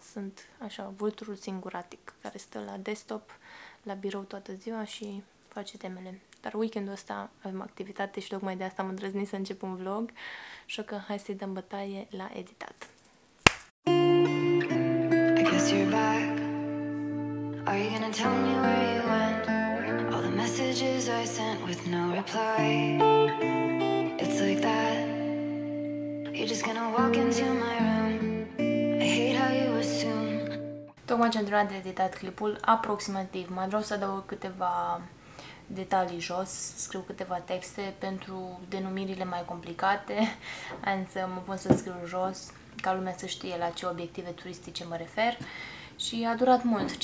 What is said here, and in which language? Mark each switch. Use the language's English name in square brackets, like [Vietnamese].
[Romanian] Sunt așa, vulturul singuratic care stă la desktop, la birou toată ziua și face temele. Dar weekendul ăsta avem activitate și tocmai de asta am îndrăznit să încep un vlog, așa că hai să-i dăm bătaie la editat. [English] I guess you're back. Are you gonna tell me where you went? All the messages I sent with no reply. It's like that. You're just gonna walk into my room. I hate how you assume. [Romanian] Tocmai ce-am terminat de editat clipul, aproximativ, mai vreau să adaug câteva detalii jos, scriu câteva texte pentru denumirile mai complicate, însă mă pun să scriu jos ca lumea să știe la ce obiective turistice mă refer și a durat mult.